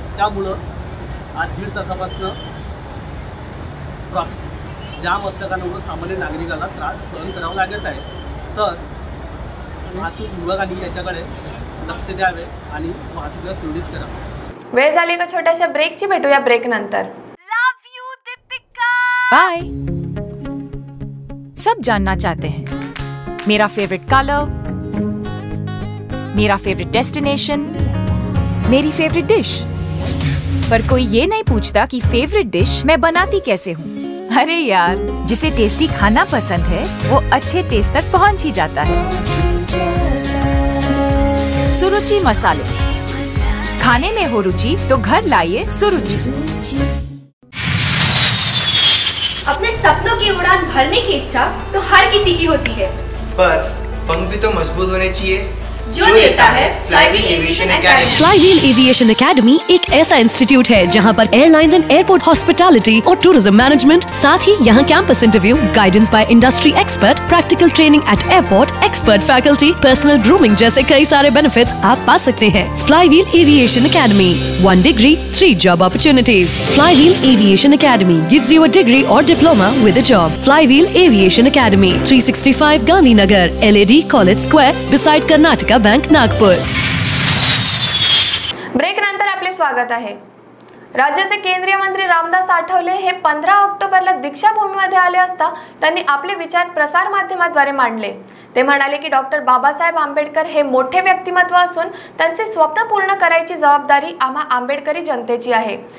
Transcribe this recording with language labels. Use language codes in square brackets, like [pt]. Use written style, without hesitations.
[mr] त्यामुळं आज 1.5 तासापासून ट्रक जाम असल्याकारणामुळं सामान्य नागरिकाला त्रास सहन करावा लागत आहे. तर वाहतूक विभागाने याच्याकडे लक्ष द्यावे आणि वाहतूक सुरळीत करावं. वेळ झाली का छोट्याशा ब्रेकची, भेटूया ब्रेक नंतर. [en] Love you Deepika, bye. [hi] सब जानना चाहते हैं मेरा फेवरेट कलर, मेरा फेवरेट डेस्टिनेशन, मेरी फेवरेट डिश, पर कोई ये नहीं पूछता कि फेवरेट डिश मैं बनाती कैसे हूँ. अरे यार, जिसे टेस्टी खाना पसंद है वो अच्छे टेस्ट तक पहुँच ही जाता है. सुरुचि मसाले, खाने में हो रुचि तो घर लाइए सुरुचि. अपने सपनों की उड़ान भरने की इच्छा तो हर किसी की होती है, पर पंख भी तो मजबूत होने चाहिए. Flywheel Aviation Academy एक ऐसा इंस्टीट्यूट है जहां पर एयरलाइंस एंड एयरपोर्ट हॉस्पिटैलिटी और टूरिज्म मैनेजमेंट, साथ ही यहां campus interview, [en] guidance by industry expert, practical training at airport, [hi] expert faculty, personal grooming जैसे कई सारे बेनिफिट्स आप पा सकते हैं. [en] Flywheel Aviation Academy, 1 degree 3 job opportunities. Flywheel Aviation Academy gives you a degree or diploma with a job. Flywheel Aviation Academy, 365 Gandhinagar, LAD College Square, beside Karnataka bank, Nagpur. [mr] Break नंतर आपले स्वागत आहे. राज्याचे केंद्रीय मंत्री रामदास आठवले हे 15 ऑक्टोबरला दीक्षाभूमीमध्ये आले असता त्यांनी आपले विचार प्रसार माध्यमाद्वारे मांडले. ते म्हणाले की डॉक्टर बाबासाहेब आंबेडकर हे मोठे व्यक्तिमत्व असून त्यांचे स्वप्न पूर्ण करायची जबाबदारी आम्हा आंबेडकरी जनतेची आहे.